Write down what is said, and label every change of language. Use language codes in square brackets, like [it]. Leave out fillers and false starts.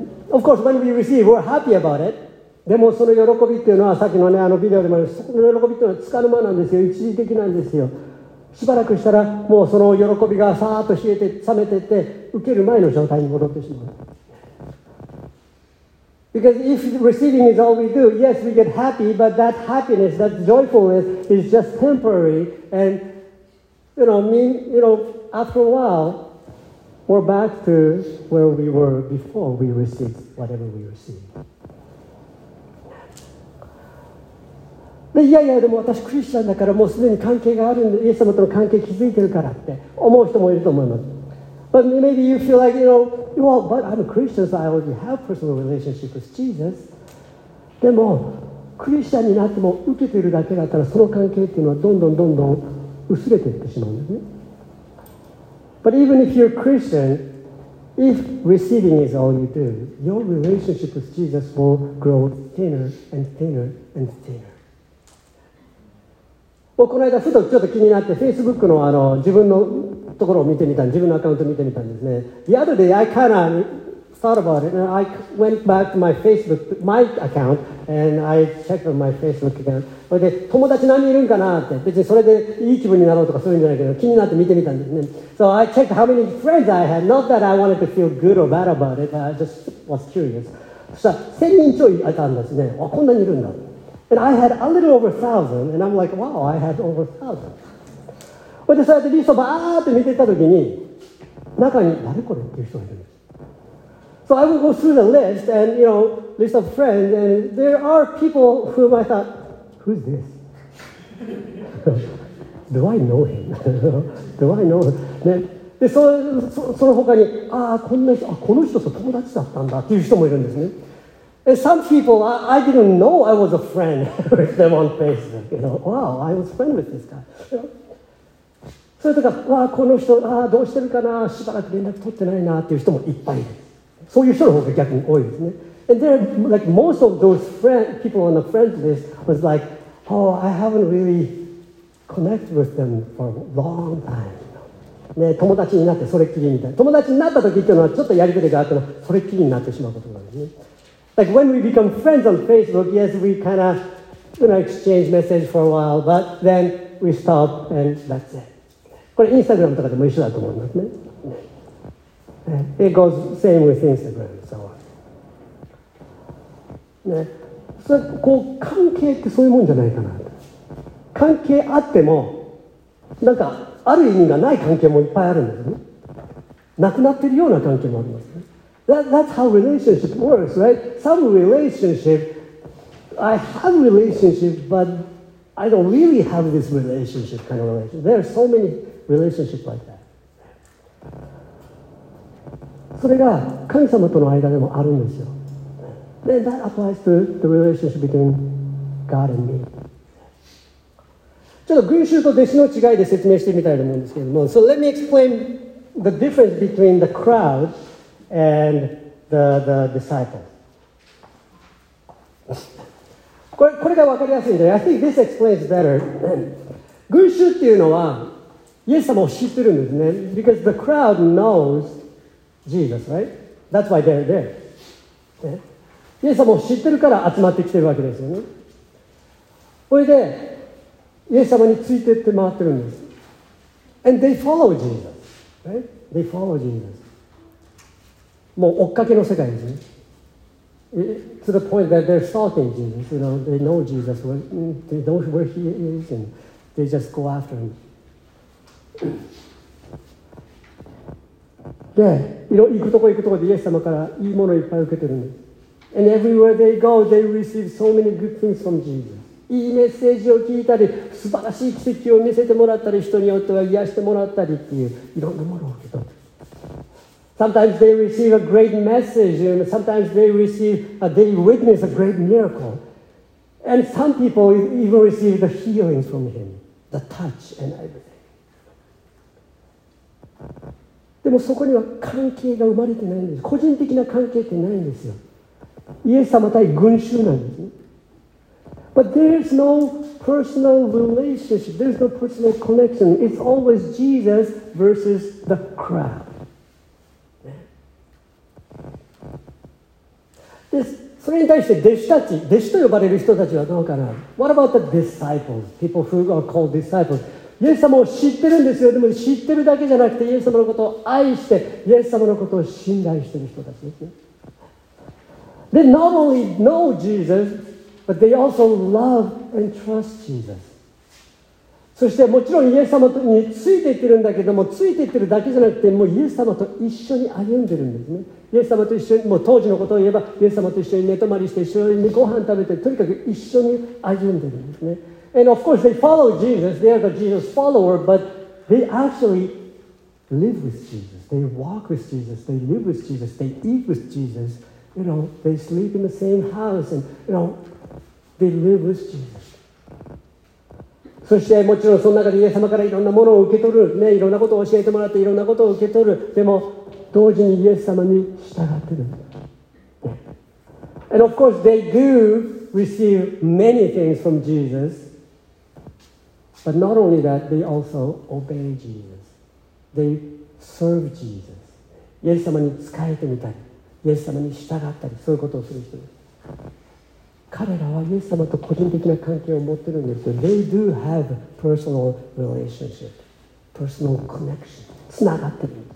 [en] Of course, when we receive, we're happy about it. [ja] でもその喜びっていうのはさっきのね、あのビデオでもあるその喜びっていうのはつかの間なんですよ。一時的なんですよ。しばらくしたらもうその喜びがさーっと冷えて冷めてって受ける前の状態に戻ってしまう。 [en] Because if receiving is all we do, yes, we get happy, but that happiness, that joyfulness is just temporary. And, after a while, we're back to where we were before we received whatever we received. [ja] いやいや、でも私クリスチャンだからもうすでに関係があるんで、イエス様との関係気づいてるからって思う人もいると思います。 [en] But maybe you feel like, well, but I'm a Christian, so I already have a personal relationship with Jesus. [ja] でも、クリスチャンになっても受けてるだけだったら、その関係っていうのはどんどんどんどん薄れていってしまうんですね。 [en] But even if you're a Christian, if receiving is all you do, your relationship with Jesus will grow thinner and thinner and thinner. [ja] もうこの間ふとちょっと気になって Facebook の, あの自分のところを見てみた自分のアカウントを見てみたんですね [en] The other day I kind of thought about it and I went back to my Facebook, my account and I checked on my Facebook account [ja] それで友達何人いるんかなって別にそれでいい気分になろうとかするんじゃないけど気になって見てみたんですね [en] So I checked how many friends I had not that I wanted to feel good or bad about it I just was curious [ja] そしたら1000人ちょいあったんですねわこんなにいるんだ [en] And I had a little over 1,000, and I'm like, wow, I had over 1,000. [ja] そうやってリストをバーって見てたときに、中に誰これっていう人がいるんです。 [en] So I would go through the list, and, list of friends, and there are people whom I thought, who's this? Do I know him? Do I know him? [ja] で、その他に、ああ、こんな人、あ、この人と友達だったんだっていう人もいるんですね。 [en] And some people, I didn't know I was a friend with them on Facebook. Wow, I was friend with this guy. [ja] それとか、わあ、この人、ああ、どうしてるかな、しばらく連絡取ってないなっていう人もいっぱいいる。そういう人の方が逆に多いですね。 [en] And then, like, most of those friend, people on the friend list was like, oh, I haven't really connected with them for a long time. [ja] ね、友達になってそれっきりみたいな。友達になった時っていうのはちょっとやりとりがあったら、それっきりになってしまうことなんですね。 [en] Like when we become friends on Facebook, yes, we kind of exchange message for a while, but then we stop and that's it. [ja] これ Instagram とかでも一緒だと思いますね。 [en] It goes same with Instagram and so on. [ja] ね。それ、こう、関係ってそういうもんじゃないかな。関係あっても、なんか、ある意味がない関係もいっぱいあるんですね。なくなってるような関係もありますね。 [en] That's how relationship works, right? Some relationship, I have relationship, but I don't really have this relationship kind of relationship. There are so many relationships like that. [ja] それが神様との間でもあるんですよ。 [en] Then that applies to the relationship between God and me. [ja] ちょっと群衆と弟子の違いで説明してみたいと思うんですけども。 [en] So let me explain the difference between the crowd. And the disciples. [ja] これが分かりやすいんで、 [en] I think this explains better. [ja] 群衆っていうのは、イエス様を知ってるんですね。 [en] Because the crowd knows Jesus, right? That's why they're there. [ja] イエス様を知ってるから集まってきてるわけですよね。それで、イエス様についてって回ってるんです。 [en] And they follow Jesus, right? They follow Jesus. [ja] もう追っかけの世界ですね。 [en] To the point that they're stalking Jesus. You know, they know Jesus. They know where he is and they just go after him. [ja] で、行くとこ行くとこでイエス様からいいものをいっぱい受けてるんです。 [en] And everywhere they go, they receive so many good things from Jesus. [ja] いいメッセージを聞いたり、素晴らしい奇跡を見せてもらったり、人によっては癒してもらったりっていう、いろんなものを受け取る。 [en] Sometimes they receive a great message, and sometimes they witness a great miracle. And some people even receive the healing from him, the touch and everything. [ja] でもそこには関係が生まれてないんです。個人的な関係ってないんですよ。イエス様対群衆なんです。 [en] But there's no personal relationship, there's no personal connection. It's always Jesus versus the crowd. [ja] でそれに対して弟子たち、弟子と呼ばれる人たちはどうかな ? [en] What about the disciples? People who are called disciples. [ja] イエス様を知ってるんですよ。でも知ってるだけじゃなくて、イエス様のことを愛して、イエス様のことを信頼してる人たちですね。 [en] They not only know Jesus, but they also love and trust Jesus. [ja] そしてもちろんイエス様についていってるんだけども、ついていってるだけじゃなくて、もうイエス様と一緒に歩んでるんですね。イエス様と一緒に、もう当時のことを言えば、イエス様と一緒に寝泊まりして、一緒にご飯食べて、とにかく一緒に歩んでるんですね。 [en] And of course, they follow Jesus. They are the Jesus follower, but they actually live with Jesus. They walk with Jesus. They live with Jesus. They eat with Jesus. You know, they sleep in the same house. And, you know, they live with Jesus. [ja] そして、もちろんその中でイエス様からいろんなものを受け取る。ね、いろんなことを教えてもらって、いろんなことを受け取る。でも、同時にイエス様に従ってるんだ。 [en] And of course they do receive many things from Jesus. But not only that, they also obey Jesus. They serve Jesus. [ja] イエス様に仕えてみたり、イエス様に従ったり、そういうことをする人。彼らはイエス様と個人的な関係を持ってるんですけど、 [en] they do have personal relationship, personal connection. [ja] つながってる。